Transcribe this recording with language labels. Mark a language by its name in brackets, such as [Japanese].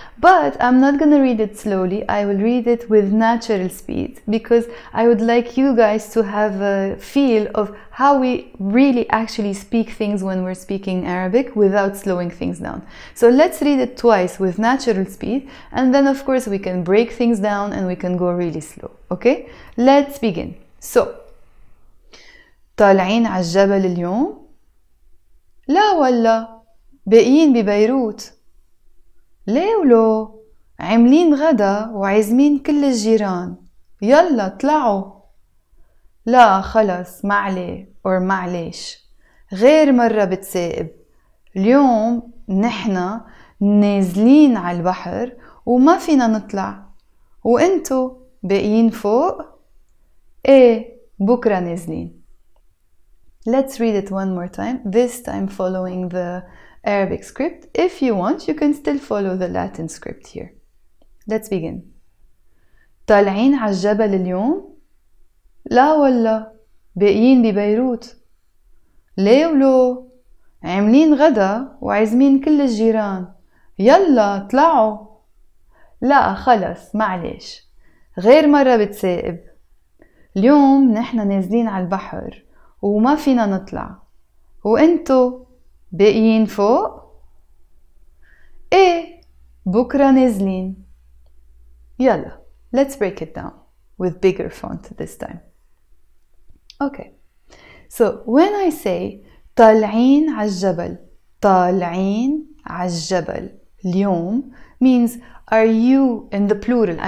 [English] But I'm not gonna read it slowly, I will read it with natural speed because I would like you guys to have a feel of how we really actually speak things when we're speaking Arabic without slowing things down. So let's read it twice with natural speed and then of course we can break things down and we can go really slow. Okay, let's begin. [Arabic] So, طالعين على الجبل اليوم؟ لا والله، باقيين ببيروت. ليه ولو؟ عاملين غدا وعزمين كل الجيران. يلا طلعوا. لا خلص معلي أو معليش. غير مرة بتسائب. اليوم نحنا نازلين على البحر وما فينا نطلع. وانتو؟ باقيين فوق؟ ايه بكرة نازلين. [English] Let's read it one more time, this time following the Arabic script. If you want, you can still follow the Latin script here. Let's begin. [Arabic] طالعين على الجبل اليوم؟ لا والله، باقيين ببيروت. ليه ولو؟ عاملين غدا وعزمين كل الجيران. يلا طلعوا. لا خلص معليش. غير مرة بتسائب. اليوم نحنا نازلين على البحر وما فينا نطلع. وانتو باقيين فوق؟ ايه بكرة نازلين. [English] يلا let's break it down with bigger font this time. Okay, so when I say [Arabic] طالعين على الجبل, طالعين على الجبل اليوم [English] means are you in the plural?